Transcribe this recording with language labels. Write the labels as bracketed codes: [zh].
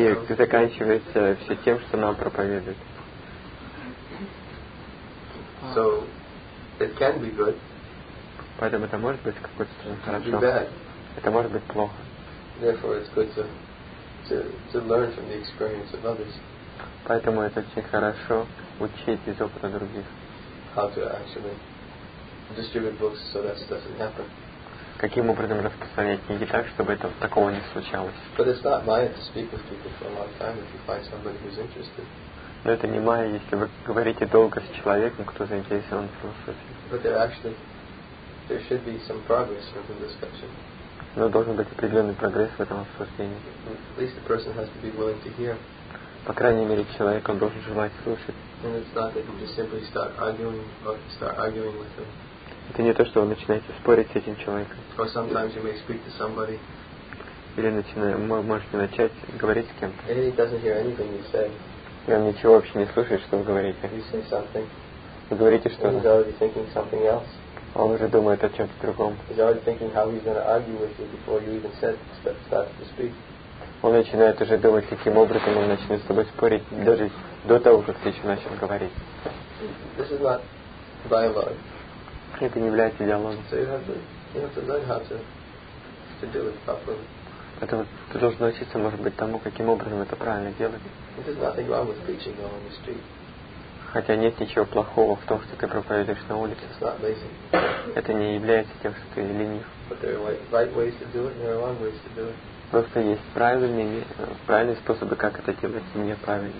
[ru] И заканчивается все тем, что нам проповедуют. [en] So, it can be good. [ru] Поэтому это может быть какой-то стороны хорошо. [en] Be bad. [ru] Это может быть плохо. [en] Therefore, it's good to learn from the experience of others. [ru] Поэтому это очень хорошо учить из опыта других. [en] How to actually distribute books so that doesn't happen. [ru] Каким образом распространять книги так, чтобы это такого не случалось? [en] But it's not mine to speak with people for a long time if you find somebody who's interested. [ru] Но это не мое, если вы говорите долго с человеком, кто заинтересован в философии. [en] But they're actually there should be some progress in the discussion. [ru] Но должен быть определенный прогресс в этом обсуждении. [en] At least the person has to be willing to hear. [ru] По крайней мере, человек он должен желать слушать. [en] And it's not that you just simply start arguing with him. [ru] Это не то, что вы начинаете спорить с этим человеком. [en] Or sometimes you may speak to somebody. [ru] или можете начать говорить с кем-то. [en] He doesn't hear anything you say. [ru] И он ничего вообще не слышит, что вы говорите. [en] You say something. [ru] Вы говорите что-то. [en] He's already thinking something else. [ru] Он уже думает о чем-то другом. [en] He's already thinking how he's going to argue with you before you even start to speak. [ru] Он начинает уже думать, каким образом он начнет с тобой спорить, даже до того, как ты еще начал говорить. [en] This is not dialogue. [ru] Это не является диалогом. [en] So you have to learn how to do it properly. [ru] Это вот ты должен научиться, может быть, тому, каким образом это правильно делать. [en] There's nothing wrong with preaching on the street. [ru] Хотя нет ничего плохого в том, что ты проповедуешь на улице. [en] It's not lazy. [ru] Это не является тем, что ты ленив. [en] But there are right ways to do it, and there are wrong ways to do it. [ru] Просто есть правильные способы, как это делать, и неправильные.